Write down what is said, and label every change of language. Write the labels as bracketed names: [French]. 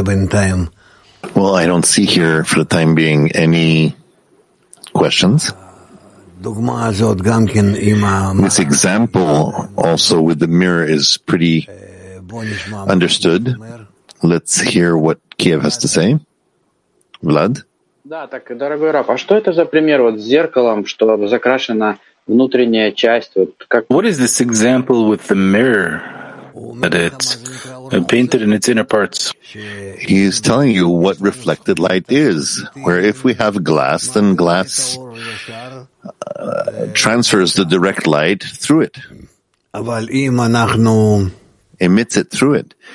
[English] Well, I don't see here for the time being any questions. This example also with the mirror is pretty understood. Let's hear what Kiev has to say. Vlad? [Russian] Да, так, дорогой Раф, а что это за пример вот с зеркалом, что закрашена внутренняя часть? Вот как... [English] What is this example with the mirror that it's painted in its inner parts? He is telling you what reflected light is, where if we have glass, then glass transfers the direct light through it, emits it through it.